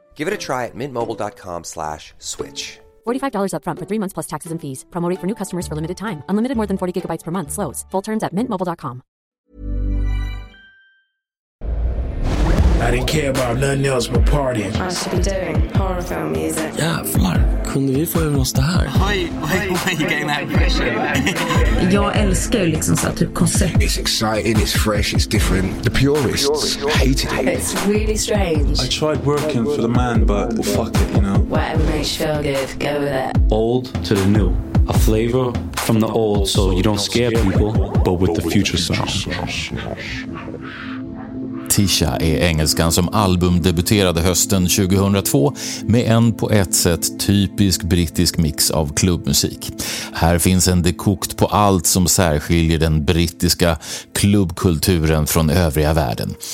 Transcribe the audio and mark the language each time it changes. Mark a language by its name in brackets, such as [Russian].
[English] Give it a try at mintmobile.com/switch. $45 up front for 3 months plus taxes and fees. Promo rate for new customers for limited time. Unlimited more than 40 gigabytes per month slows. Full terms at mintmobile.com. I didn't care about nothing else but partying. I should be doing horror film music. [Swedish] Yeah, Flark, kunde vi få över oss det här? [English] Why are you getting that pressure? [Swedish] Jag älskar liksom så här typ koncept. [English] It's exciting, it's fresh, it's different. The purists hated it. It's really strange. I tried working for the man, but fuck it, you know. Whatever makes you feel good, go with it. Old to the new. A flavor from the old, so you don't scare people, but with the future sound. [Swedish] Tsha är engelskan som albumdebuterade hösten 2002 med en på ett sätt typisk brittisk mix av klubbmusik. Här finns en dekokt på allt som särskiljer den brittiska klubbkulturen från övriga världen.